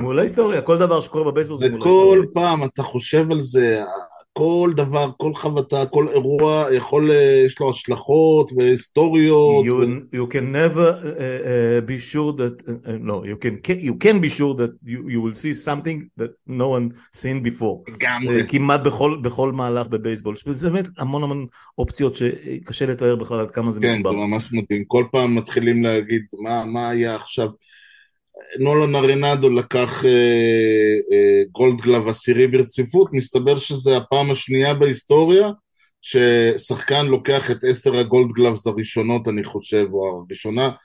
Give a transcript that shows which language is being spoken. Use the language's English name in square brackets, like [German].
[Hebrew] מול ההיסטוריה, כל דבר שקורה בבייסבול זה מול ההיסטוריה. כל פעם אתה חושב על זה, כל דבר, כל חוותה, כל אירוע יכול, יש לו השלכות והיסטוריות. [English] You can never be sure that, no, you can be sure that you will see something that no one seen before. [Hebrew] גם. כמעט בכל מהלך בבייסבול. זה באמת המון המון אופציות שקשה לתאר בכלל עד כמה זה מסובך. כן, זה ממש מדהים. כל פעם מתחילים להגיד מה היה עכשיו. נולן ארנדו לקח גולדגלב עשירי ברציפות, מסתבר שזה הפעם השנייה בהיסטוריה, ששחקן לוקח את 10 הגולדגלב הראשונות, אני חושב, או הראשונה.